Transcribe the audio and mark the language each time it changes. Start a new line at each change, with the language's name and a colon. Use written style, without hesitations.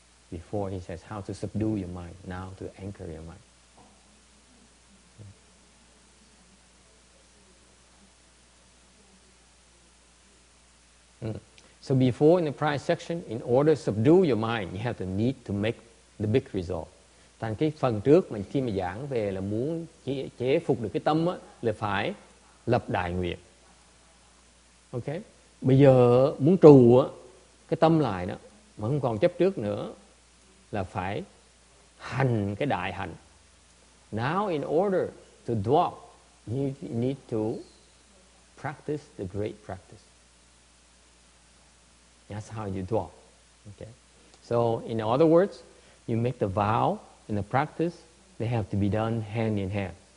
English: Before he says how to subdue your mind, now to anchor your mind. So before, in the prior section, in order to subdue your mind, you have the need to make the big resolve.
Vietnamese: Thành cái phần trước mình khi mà giảng về là muốn chế phục được cái tâm á, là phải lập đại nguyện. Okay. Bây giờ muốn trù á, cái tâm lại đó, mà không còn chấp trước nữa, là phải hành cái đại hạnh.
English: Now in order to dwell, you need to practice the great practice. That's how you dwell. Okay. So in other words, you make the vow and the practice, they have to be done hand in hand.